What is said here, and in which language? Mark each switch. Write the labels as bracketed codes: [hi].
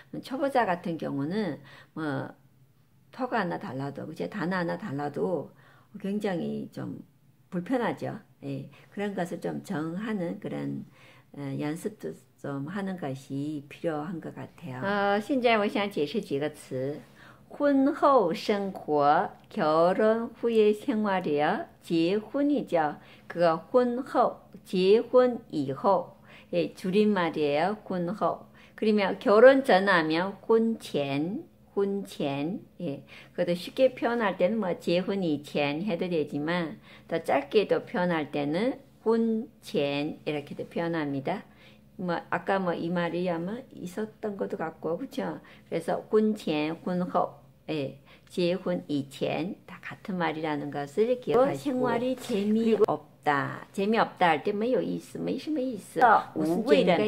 [ko] 초보자 같은 경우는 뭐 터가 하나 달라도 이제 단어 하나 달라도 굉장히 좀 불편하죠. 예, 그런 것을 좀 정하는 그런 연습도 좀 하는 것이 필요한 것 같아요. [zh] 现在我想解释几个词：婚后生活、 [ko] 결혼후의생활이요。结婚이죠，그거婚后， [zh] 结婚以后， [ko] 예，줄임말이에요。婚后，그러면결혼전하면婚前，婚前，예，그것도쉽게표현할때는뭐 [zh] 结婚以前 [ko] 해도되지만，더짧게도표현할때는婚前이렇게도표현합니다。 뭐 아까 뭐이 말이 아마 있었던 것도 같고 그렇죠? 그래서 婚前, 婚后, 예, 结婚 이前 다 같은 말이라는 것을 기억하시고 생활이 그리고 없다, 재미없다 할때 [zh] 没有 意思, 没什么 意思, [ko] 무슨 无味라는